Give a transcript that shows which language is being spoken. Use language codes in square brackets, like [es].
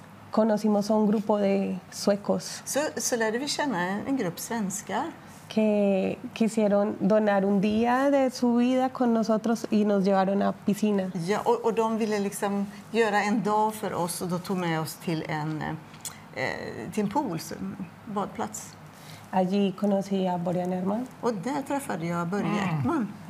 [es] Conocimos a un grupo de suecos. [sv] Så lärde vi känna en grupp svenskar [es] que quisieron donar un día de su vida con nosotros y nos llevaron a piscina. [sv] Ja, och de ville liksom göra en dag för oss och då tog med oss till en pool, en badplats. [es] Allí conocí a Börje Erdtman. [sv] Och där träffade jag Börje Erdtman.